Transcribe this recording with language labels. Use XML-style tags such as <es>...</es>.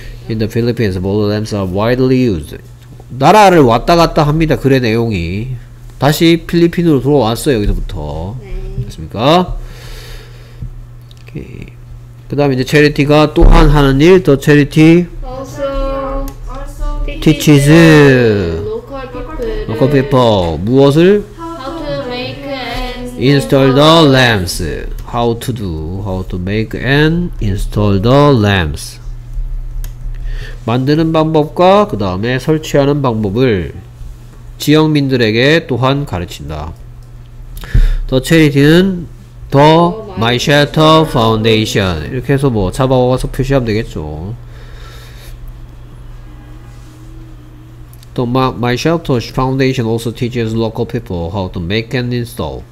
<en>In the Philippines, model lamps are widely used.</en> <ko>나라를 왔다 갔다 합니다. 글의 내용이. 다시 필리핀으로 돌아왔어요. 여기서부터. 네. 됐습니까? 오케이. 그 다음에 이제 체리티가 또한 하는 일.</ko> <en>The charity also teaches local people.</en> <ko>무엇을?</ko> <en>How to make and install the lamps. How to do. How to make and install the lamps.</en> <ko>만드는 방법과 그 다음에 설치하는 방법을 지역민들에게 또한 가르친다.</ko> <en>The charity</en> <ko>는</ko> <en>The My Shelter Foundation.</en> <ko>이렇게 해서 뭐 잡아와서 표시하면 되겠죠.</ko> <en>The My Shelter Foundation also teaches local people how to make and install.</en>